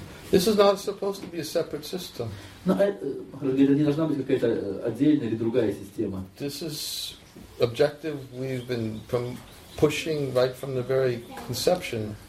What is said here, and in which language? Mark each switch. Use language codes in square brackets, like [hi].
[en] This is not supposed to be a separate system. [ru] No, это не должна быть какая-то отдельная или другая система. [en] This is objective we've been pushing right from the very conception.